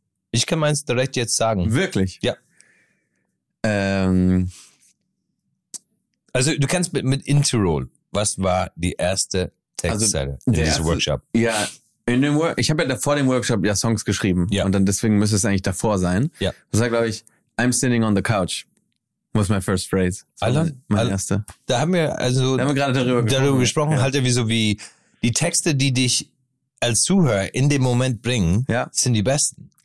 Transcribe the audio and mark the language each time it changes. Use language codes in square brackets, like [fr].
[de] Ich kann meins direkt jetzt sagen. Wirklich? Ja. Also du kennst mit in Tirol, was war die erste Textzeile also, in diesem Workshop? Ja. Ich habe ja vor dem Workshop ja Songs geschrieben. [en] Yeah. [de] Und dann deswegen müsste es eigentlich davor sein. [en] Yeah. [de] Das war, glaube ich, [en] I'm sitting on the couch was my first phrase. [de] Mein erster. Da haben wir also gerade darüber gesprochen. Ja. Halt irgendwie so wie die Texte, die dich als Zuhörer in dem Moment bringen, sind die besten.